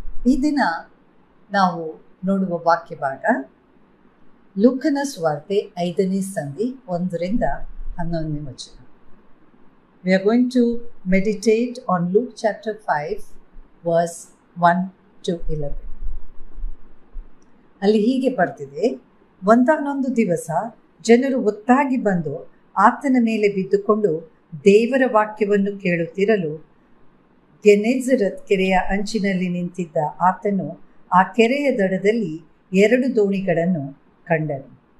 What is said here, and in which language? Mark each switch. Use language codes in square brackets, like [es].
[kn] ಇದಿನ ನಾವು ನೋಡುವ ವಾಕ್ಯ ಭಾಗ ಲೂಕನ ಸುವಾರ್ತೆ 5:1-11. [en] We are going to meditate on Luke chapter 5, verse 1-11. [kn] ಅಲ್ಲಿ ಹೀಗೆ ಬರ್ತಿದೆ, ಒಂದಾನೊಂದು ದಿವಸ ಜನರು ಒತ್ತಾಗಿ ಬಂದು ಆತನ ಮೇಲೆ ಬಿದ್ದುಕೊಂಡು ದೇವರ ವಾಕ್ಯವನ್ನು ಕೇಳುತ್ತಿರಲು ಗೆನೆಜರತ್ ಕೆರೆಯ ಅಂಚಿನಲ್ಲಿ ನಿಂತಿದ್ದ ಆತನು ಆ ಕೆರೆಯ ದಡದಲ್ಲಿ ಎರಡು ದೋಣಿಗಳನ್ನು ಕಂಡನು.